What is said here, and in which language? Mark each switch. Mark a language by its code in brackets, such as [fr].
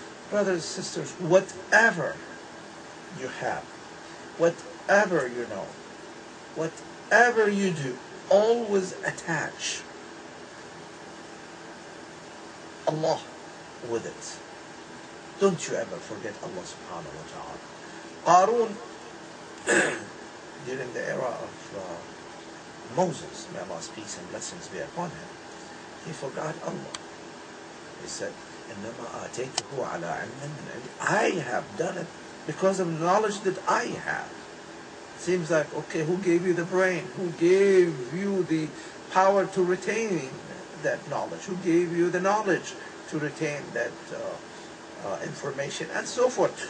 [en] Brothers, sisters, whatever you have, whatever you know, whatever you do, always attach Allah with it. Don't you ever forget Allah subhanahu wa ta'ala. Qarun, during the era of Moses, may Allah's peace and blessings be upon him, he forgot Allah. [ar] He said, إِنَّمَا آتَيْتُهُ عَلَىٰ عِلْمٍ مِنْ عِلْمٍ. [en] I have done it because of knowledge that I have. Seems like, okay, who gave you the brain? Who gave you the power to retain that knowledge? Who gave you the knowledge to retain that information? And so forth.